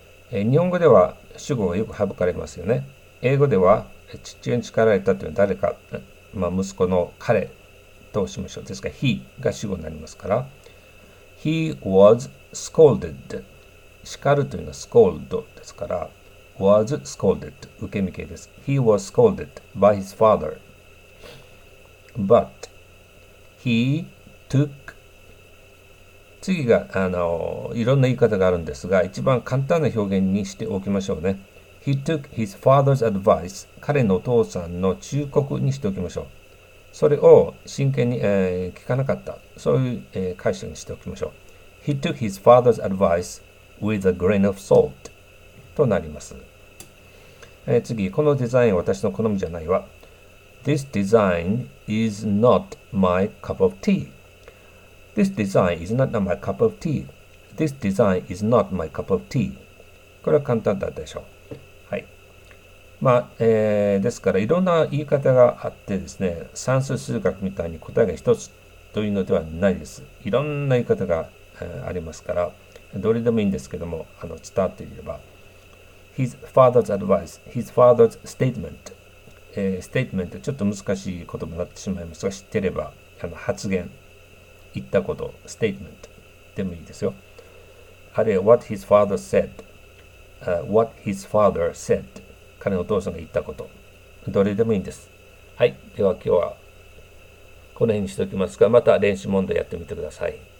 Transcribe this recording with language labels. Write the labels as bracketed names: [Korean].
[Japanese] 日本語では主語がよく省かれますよね。英語では父親に叱られたというのは誰か、まあ、息子の彼としましょう。ですから、he が主語になりますから。 [English] He was scolded. [Japanese] 叱るというのは scold ですから、 [English] was scolded. [Japanese] 受け身形です。 [English] He was scolded by his father. But he took [Japanese] 次が、いろんな言い方があるんですが、一番簡単な表現にしておきましょうね。 [English] He took his father's advice. [Japanese] 彼のお父さんの忠告にしておきましょう。それを真剣に、聞かなかった。そういう、解釈にしておきましょう。 [English] He took his father's advice with a grain of salt. [Japanese] となります。次、このデザインは私の好みじゃないわ。 [English] This design is not my cup of tea. This design is not my cup of tea. This design is not my cup of tea. [Japanese] これは簡単だったでしょう。まあ、ですから、いろんな言い方があってですね、算数数学みたいに答えが一つというのではないです。いろんな言い方が、ありますから、どれでもいいんですけども、伝わっていれば。 [English] His father's advice, his father's statement、 [Japanese] statement、ちょっと難しい言葉になってしまいますが、知ってれば、発言、言ったこと、statement でもいいですよ。 [English] あるいは、what his father said,、what his father said. [Japanese] 彼のお父さんが言ったこと、どれでもいいんです。はい、では今日はこの辺にしておきますが、また練習問題やってみてください。